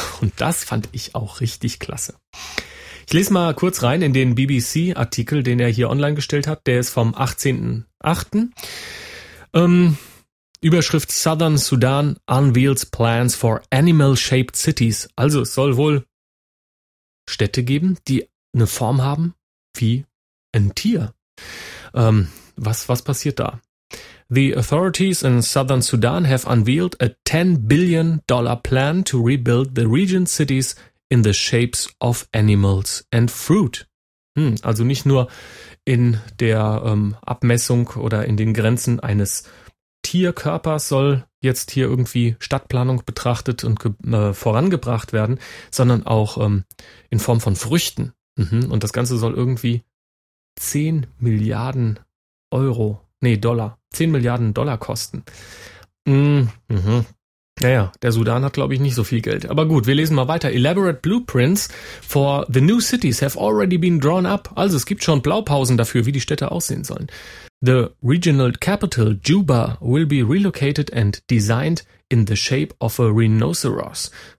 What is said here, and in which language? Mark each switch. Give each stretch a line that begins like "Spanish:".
German: Und das fand ich auch richtig klasse. Ich lese mal kurz rein in den BBC-Artikel, den er hier online gestellt hat, der ist vom 18.08.
English: Überschrift Southern Sudan unveils plans for animal-shaped cities.
German: Also es soll wohl Städte geben, die eine Form haben wie ein Tier. Was passiert da?
English: The authorities in southern Sudan have unveiled a $10 billion plan to rebuild the region's cities in the shapes of animals and fruit.
German: Also nicht nur in der Abmessung oder in den Grenzen eines Tierkörpers soll jetzt hier irgendwie Stadtplanung betrachtet und vorangebracht werden, sondern auch in Form von Früchten. Und das Ganze soll irgendwie 10 Milliarden Dollar kosten. Naja, der Sudan hat glaube ich nicht so viel Geld. Aber gut, wir lesen mal weiter.
English: Elaborate blueprints for the new cities have already been drawn up.
German: Also es gibt schon Blaupausen dafür, wie die Städte aussehen sollen.
English: The regional capital Juba will be relocated and designed in the shape of a rhinoceros.